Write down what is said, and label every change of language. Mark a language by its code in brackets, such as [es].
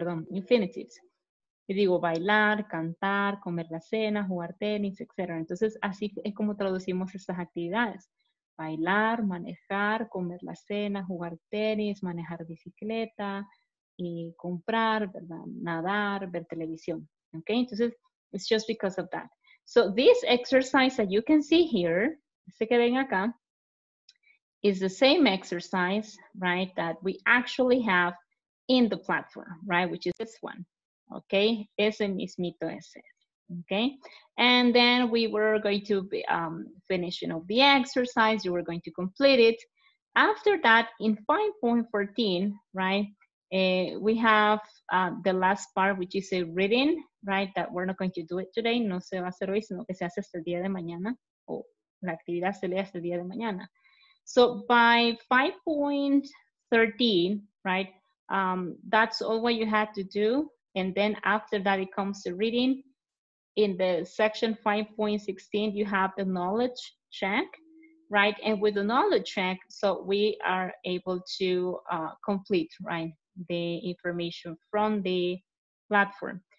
[es] Infinitivos. Y digo bailar, cantar, comer la cena, jugar tenis, etc. Entonces, así es como traducimos estas actividades. Bailar, manejar, comer la cena, jugar tenis, manejar bicicleta, y comprar, ¿verdad? Nadar, ver televisión. [en] Okay, [es] entonces, [en] it's just because of that. So, this exercise that you can see here, [es] este que ven acá, [en] is the same exercise, right, that we actually have in the platform, right, which is this one. Okay, [es] ese mismito ese. [en] Okay, and then we were going to be, finish, you know, the exercise. You were going to complete it. After that, in 5.14, right, we have the last part, which is a reading, right, that we're not going to do it today. [es] No se va a hacer hoy, sino que se hace hasta el día de mañana. O la actividad se lee hasta el día de mañana. [en] So by 5.13, right, that's all what you had to do. And then after that, it comes to reading. In the section 5.16, you have the knowledge check, right? And with the knowledge check, so we are able to complete, right, the information from the platform.